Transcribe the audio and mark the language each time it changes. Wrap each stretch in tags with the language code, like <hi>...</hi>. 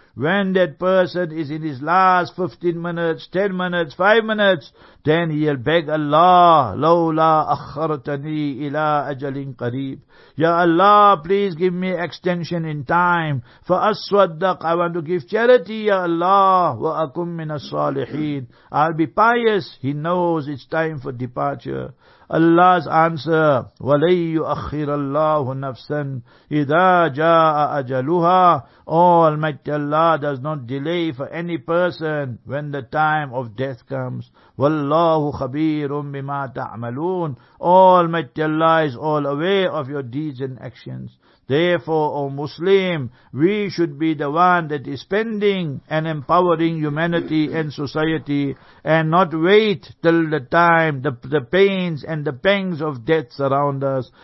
<en>When that person is in his last 15 minutes, 10 minutes, 5 minutes, then he'll beg Allah,</en> <ar>Lawla akhartani ila ajalin qareeb.</ar> <en>Ya Allah, please give me extension in time.</en> <ar>Fa aswaddaq,</ar> <en>I want to give charity, Ya Allah,</en> <ar>wa akum min as-salihin.</ar> <en>I'll be pious. He knows it's time for departure. Allah's answer,</en> <ar>وَلَيُّ أَخِّرَ اللَّهُ نَفْسًا إِذَا جَاءَ أَجَلُهَا.</ar> <en>Almighty Allah does not delay for any person when the time of death comes.</en> <ar>وَاللَّهُ خَبِيرٌ بِمَا تَعْمَلُونَ.</ar> <en>Almighty Allah is all aware of your deeds and actions. Therefore, O Muslim, we should be the one that is spending and empowering humanity and society, and not wait till the time, the pains and the pangs of death surround us.</en>